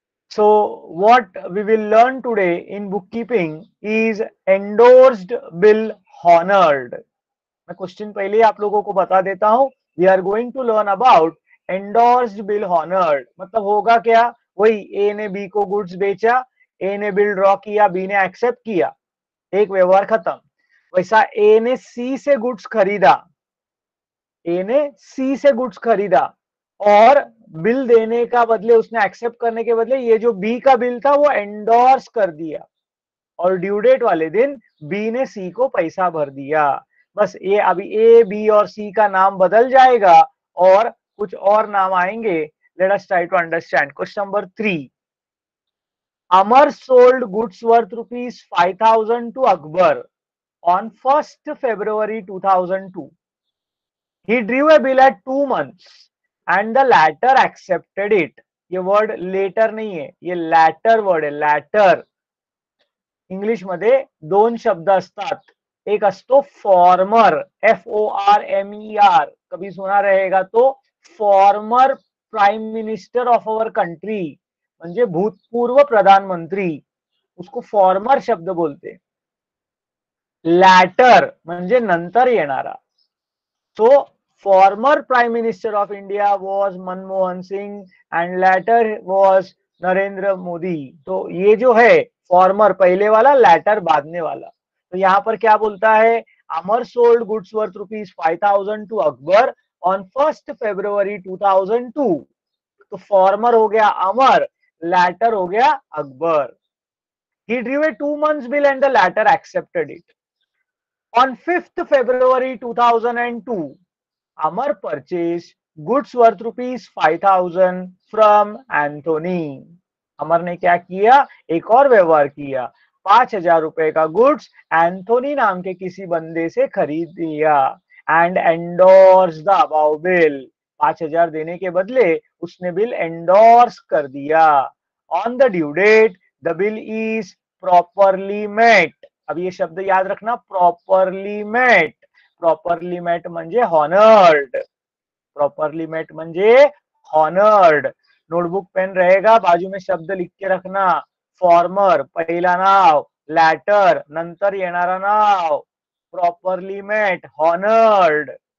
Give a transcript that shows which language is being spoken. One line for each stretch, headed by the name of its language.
English: So what we will learn today in bookkeeping is endorsed bill honored.
Hindi: मैं question पहले ही आप लोगों को बता देता हूं.
English: We are going to learn about endorsed bill honoured.
Hindi: मतलब होगा क्या, वही ए ने बी को गुड्स बेचा, ए ने बिल ड्रॉ किया, बी ने एक्सेप्ट किया, एक व्यवहार खत्म. वैसा ए ने सी से गुड्स खरीदा, ए ने सी से गुड्स खरीदा और बिल देने का बदले, उसने एक्सेप्ट करने के बदले ये जो बी का बिल था वो एंडोर्स कर दिया और ड्यू डेट वाले दिन बी ने सी को पैसा भर दिया. बस ये अभी ए बी और सी का नाम बदल जाएगा और कुछ और नाम आएंगे.
English: Let us try to understand. Question number 3. Amar sold goods worth rupees 5000 to Akbar on 1 February 2002. He drew a bill at 2 months and the latter accepted it.
Hindi: ये वर्ड लेटर नहीं है, ये लेटर वर्ड है.
Marathi: लेटर इंग्लिश मध्ये दोन शब्द असतात. एक असतो फॉर्मर,
Hindi: FORMER, कभी सुना रहेगा तो,
English: former prime minister of our country,
Marathi: म्हणजे भूतपूर्व प्रधानमंत्री,
Hindi: उसको फॉर्मर शब्द बोलते.
Marathi: लेटर म्हणजे नंतर येणारा.
English: So former prime minister of India was Manmohan Singh and later was Narendra Modi.
Hindi: तो ये जो है फॉर्मर पहले वाला, लेटर बादने वाला. तो यहाँ पर क्या बोलता है,
English: Amar sold goods worth rupees 5000 to Akbar on 1 February 2002.
Hindi: तो फॉर्मर हो गया अमर, लेटर हो गया अकबर.
English: He drew a 2 months bill and the latter accepted it on 5 February 2002. Amar purchase goods worth rupees 5000 from Anthony.
Hindi: अमर ने क्या किया, एक और व्यवहार किया, 5000 रुपए का गुड्स एंथोनी नाम के किसी बंदे से खरीद दिया
English: And endorse the above bill.
Hindi: 5000 देने के बदले उसने बिल एंडोर्स कर दिया.
English: On the due date the bill is properly met.
Hindi: अब ये शब्द याद रखना, प्रॉपरली मेट.
Marathi: प्रॉपरली मेट म्हणजे हॉनर्ड. प्रॉपरली मेट म्हणजे हॉनर्ड.
Hindi: नोटबुक पेन रहेगा, बाजू में शब्द लिख के रखना.
Marathi: फॉर्मर पहिला नाव, लॅटर नंतर येणारा नाव, प्रॉपरली मेट, हॉनर्ड.